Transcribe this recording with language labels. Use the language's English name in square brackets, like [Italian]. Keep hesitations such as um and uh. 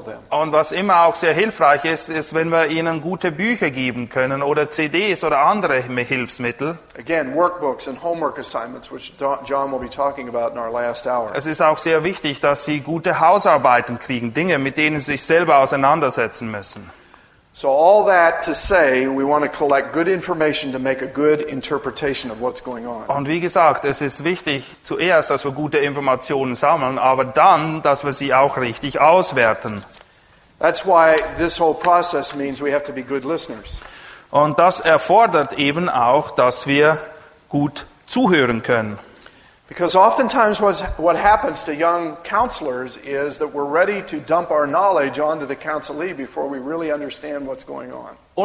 [German] Und was immer auch sehr hilfreich ist, ist wenn wir ihnen gute Bücher geben können oder CDs oder andere Hilfsmittel. [English] Again, workbooks and homework assignments which John will be talking about in our last hour. [German] Es ist auch sehr wichtig, dass sie gute Hausarbeiten kriegen, Dinge, mit denen sie sich selber auseinandersetzen müssen. Und wie gesagt, es ist wichtig zuerst, dass wir gute Informationen sammeln, aber dann, dass wir sie auch richtig auswerten. [English] That's why this whole process means we have to be good listeners. [German] Und das erfordert eben auch, dass wir gut zuhören können. [English] Because oftentimes, what happens to young counselors is that we're ready to dump our knowledge onto the counselee before we really understand what's going on.